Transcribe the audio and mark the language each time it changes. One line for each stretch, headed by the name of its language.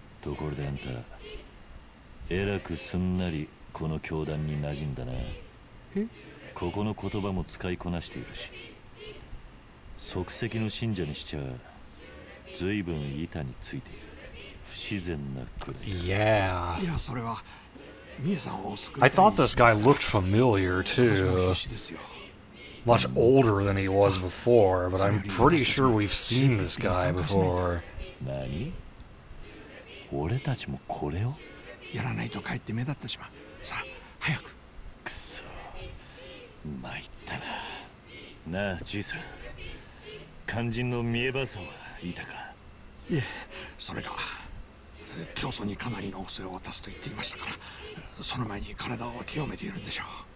Japanese: ところであんた、えらくすんなりこの教団に馴染んだな。え？ここの言葉も使いこなしているし、即席の信者にしちゃ随分板についている。不自然なくらい。
English: Yeah.
Japanese: いや、それはミエさんを救
English: う。 I thought this guy looked familiar too. Much older than he was before, but I'm pretty sure we've seen this guy before.
Japanese: 何？俺たちもこれをやらないとかえって目立ってしまう。さあ、早く。くそ、参ったな。なあ、じいさん、肝心のミエばあさんはいたか？いえ、それが教祖にかなりのお世話を渡すと言っていましたから、その前に体を清めているんでしょう。